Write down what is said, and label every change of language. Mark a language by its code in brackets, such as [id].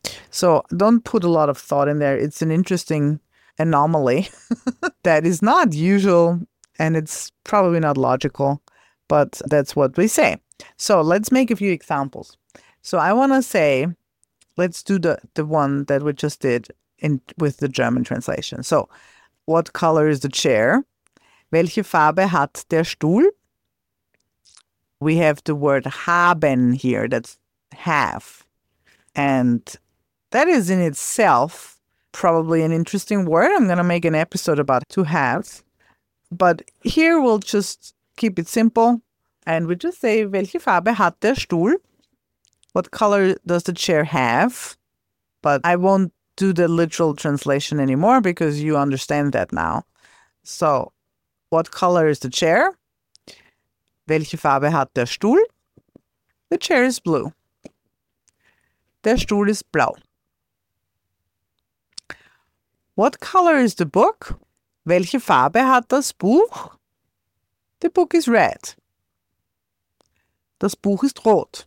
[en] So don't put a lot of thought in there. It's an interesting anomaly that is not usual, and it's probably not logical, but that's what we say. So let's make a few examples. So I want to say, let's do the one that we just did in with the German translation. So, what color is the chair? [de] Welche Farbe hat der Stuhl? [en] We have the word haben here, that's have. And that is in itself probably an interesting word. I'm going to make an episode about to have. But here we'll just keep it simple. And we just say, [de] welche Farbe hat der Stuhl? [en] What color does the chair have? But I won't do the literal translation anymore because you understand that now. So, what color is the chair? [de] Welche Farbe hat der Stuhl? [en] The chair is blue. [de] Der Stuhl ist blau. [en] What color is the book? [de] Welche Farbe hat das Buch? [en] The book is red. [de] Das Buch ist rot.